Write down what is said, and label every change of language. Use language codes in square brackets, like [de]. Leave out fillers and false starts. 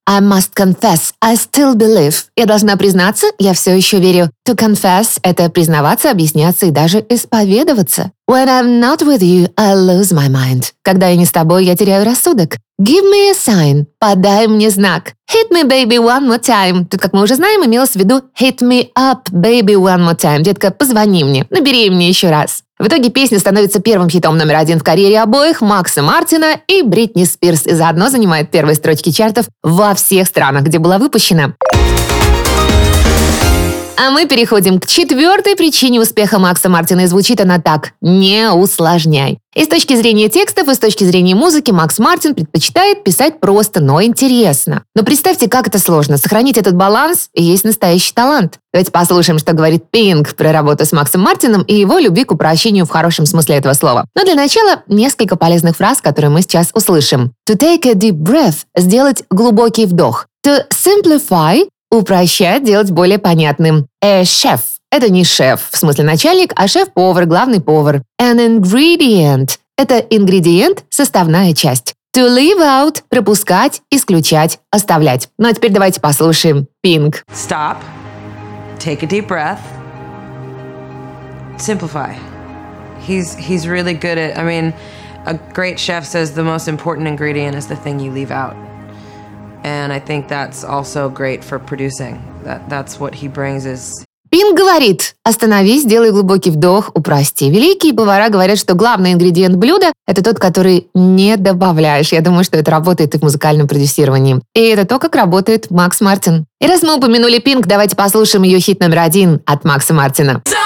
[en] I must confess, I still believe. [ru] Я должна признаться, я все еще верю. [en] To confess [ru] – это признаваться, объясняться и даже исповедоваться. [en] When I'm not with you, I lose my mind. [ru] Когда я не с тобой, я теряю рассудок. [en] Give me a sign. [ru] Подай мне знак. [en] Hit me, baby, one more time. [ru] Тут, как мы уже знаем, имелось в виду [en] hit me up, baby, one more time. [ru] Детка, позвони мне. Набери мне еще раз. В итоге песня становится первым хитом номер один в карьере обоих Макса Мартина и Бритни Спирс и заодно занимает первые строчки чартов во всех странах, где была выпущена. А мы переходим к четвертой причине успеха Макса Мартина, и звучит она так: «Не усложняй». И с точки зрения текстов, и с точки зрения музыки Макс Мартин предпочитает писать просто, но интересно. Но представьте, как это сложно – сохранить этот баланс и есть настоящий талант. Давайте послушаем, что говорит Pink про работу с Максом Мартином и его любви к упрощению в хорошем смысле этого слова. Но для начала несколько полезных фраз, которые мы сейчас услышим. [en] To take a deep breath [ru] – сделать глубокий вдох. [en] To simplify [ru] – упрощать, делать более понятным. [en] A chef [ru] – это не шеф, в смысле начальник, а шеф-повар, главный повар. [en] An ingredient [ru] – это ингредиент, составная часть. [en] To leave out [ru] – пропускать, исключать, оставлять. Ну а теперь давайте послушаем Pink. [en] Stop. Take a deep breath. Simplify. He's really good at, I mean, a great chef says the most important ingredient is the thing you leave out. And I think that's also great for producing. That's what he brings is... [ru] Пин говорит: остановись, делай глубокий вдох, упрости. Великие повара говорят, что главный ингредиент блюда – это тот, который не добавляешь. Я думаю, что это работает и в музыкальном продюсировании. И это то, как работает Макс Мартин. И раз мы упомянули Пинк, давайте послушаем ее хит номер один от Макса Мартина.